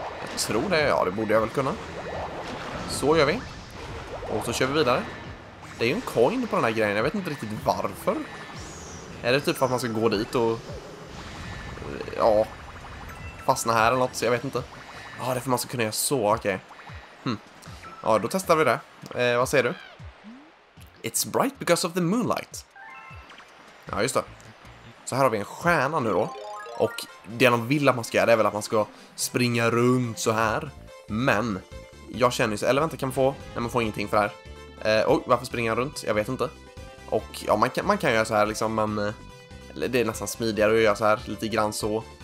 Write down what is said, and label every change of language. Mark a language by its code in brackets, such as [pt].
[sv] Jag tror det, ja, det borde jag väl kunna. Så gör vi. Och så kör vi vidare. Det är ju en coin på den här grejen, jag vet inte riktigt varför. Är det typ att man ska gå dit och... ja, fastna här eller något, så jag vet inte. Ja, ah, det får man så kunna göra så, okej. Okay. Ja, då testar vi det. Vad säger du? [en] It's bright because of the moonlight. [sv] Ja, just det. Så här har vi en stjärna nu då. Och det de vill att man ska göra är väl att man ska springa runt så här. Men, jag känner ju så... eller vänta, kan man få... nej, man får ingenting för det här. Oj, varför springa runt? Jag vet inte. Och ja, man kan göra så här liksom, men... det är nästan smidigare att göra så här, lite grann så.